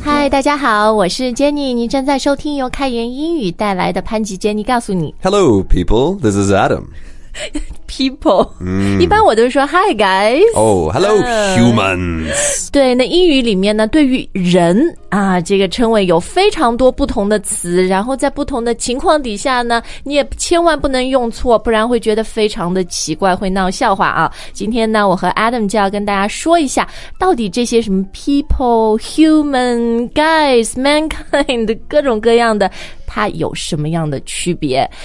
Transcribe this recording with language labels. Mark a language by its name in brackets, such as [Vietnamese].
[Chinese] 大家好，我是 Jenny， 你正在收听由开言英语带来的潘吉 Jenny 告诉你。 [English] Hello, people, this is Adam. [Chinese] People,、一般我都说 [English] Hi, guys. Oh, hello, humans. [Chinese] 对，那英语里面呢，对于人啊，这个称谓有非常多不同的词，然后在不同的情况底下呢，你也千万不能用错，不然会觉得非常的奇怪，会闹笑话啊。今天呢，我和 Adam 就要跟大家说一下，到底这些什么 people, human, guys, mankind, 各种各样的它有什么样的区别。